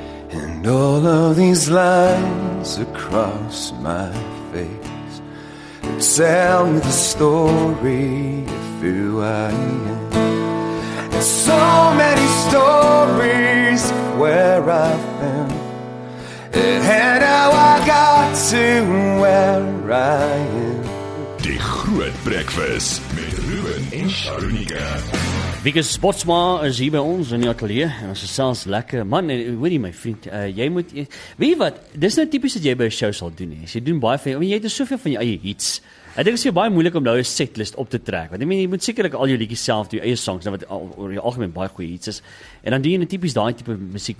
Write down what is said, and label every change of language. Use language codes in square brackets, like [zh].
[en] And all of these lines across my face tell me the story. Who I am. There's so many stories of where I've been and how I got to where I am. [af] Die Groot Breakfast met Ruben en Sharunika. Wieke Sportsma is hier by ons in die atelier en ons is selfs lekker. Man, hoor jy my vriend, jy moet, weet wat, dis nou typisch wat jy by een show sal doen. Nie. Jy doen baie van jy het soveel van jou eie hits. Ek dink is jy baie moeilik om nou een setlist op te trek, want ek meen, jy moet sekerlik al jou liedjies self, jou eie songs, wat oor jou algemeen baie goeie hits is, en dan doen jy nou typisch die type muziek.